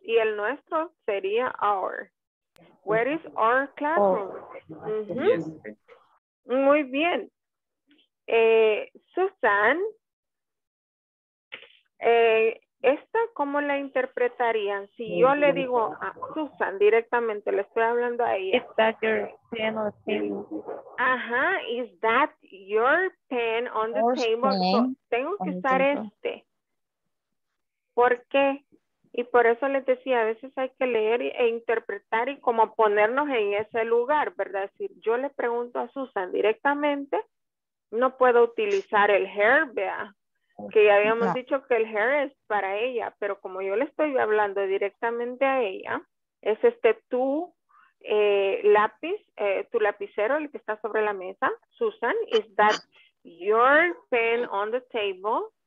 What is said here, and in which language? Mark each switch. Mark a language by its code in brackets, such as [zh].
[es] Y el nuestro sería [en] our. Where is our classroom? Oh. Mm-hmm. [es] Muy bien. Susan, ¿esta cómo la interpretarían? Si yo le digo a Susan directamente, le estoy hablando a ella. [en] Is that your pen on the table? Ajá, is that your pen on the table? [es] So, tengo que usar este. ¿Por qué? Y por eso les decía, a veces hay que leer e interpretar y como ponernos en ese lugar, ¿verdad? Si yo le pregunto a Susan directamente, no puedo utilizar el her, vea, que ya habíamos dicho que el her es para ella, pero como yo le estoy hablando directamente a ella, es este tu lápiz, tu lapicero, el que está sobre la mesa. [en] Susan, is that your pen on the table?